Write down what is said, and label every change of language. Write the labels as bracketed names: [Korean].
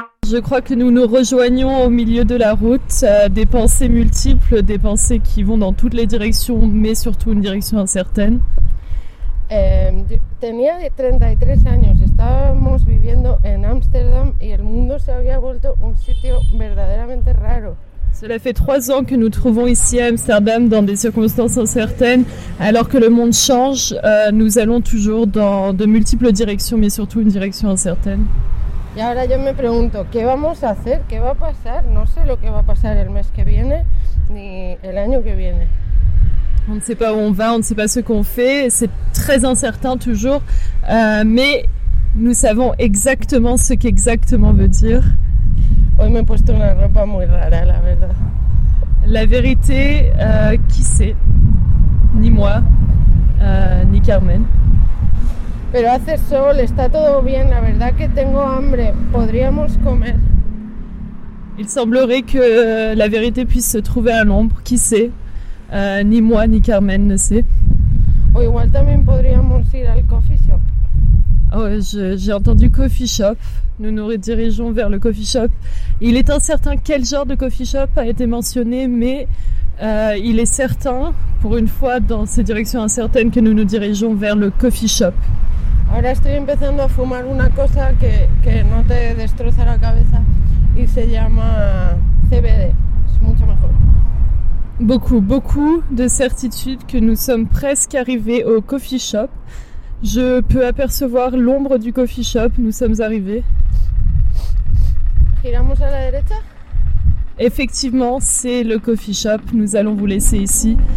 [French] Je crois que nous nous rejoignons au milieu de la route, des pensées multiples, des pensées qui vont dans toutes les directions, mais surtout une direction incertaine. [Spanish] Tenía 33 años, estábamos viviendo en Amsterdam y el mundo se había vuelto un sitio verdaderamente raro. [French] Cela fait 3 ans que nous trouvons ici à Amsterdam dans des circonstances incertaines, alors que le monde change, nous allons toujours dans de multiples directions, mais surtout une direction incertaine. [Spanish] Y ahora yo me pregunto, ¿qué vamos a hacer? ¿Qué va a pasar? No sé lo que va a pasar el mes que viene ni el año que viene. [French] On ne sait pas où on va, on ne sait pas ce qu'on fait, c'est très incertain toujours, mais nous savons exactement ce qu'exactement veut dire. [Spanish] Hoy me he puesto una ropa muy rara, la verdad. [French] La vérité, qui sait? Ni moi, ni Carmen. [Spanish] Pero hace sol, está todo bien, la verdad que tengo hambre, podríamos comer. [French] Il semblerait que la vérité puisse se trouver à l'ombre, qui sait? Ni moi, ni Carmen ne sait. [Spanish] O igual también podríamos ir al coffee shop. [French] Oh, j'ai entendu coffee shop. Nous nous redirigeons vers le coffee shop. Il est incertain quel genre de coffee shop a été mentionné, mais il est certain, pour une fois dans ces directions incertaines, que nous nous dirigeons vers le coffee shop. [Spanish] Ahora estoy empezando a fumar una cosa que no te destroza la cabeza y se llama CBD. Es mucho mejor. [French] Beaucoup, beaucoup de certitude que nous sommes presque arrivés au coffee shop. Je peux apercevoir l'ombre du coffee shop. Nous sommes arrivés. [Spanish] Giramos a la derecha? [French] Effectivement, c'est le coffee shop. Nous allons vous laisser ici.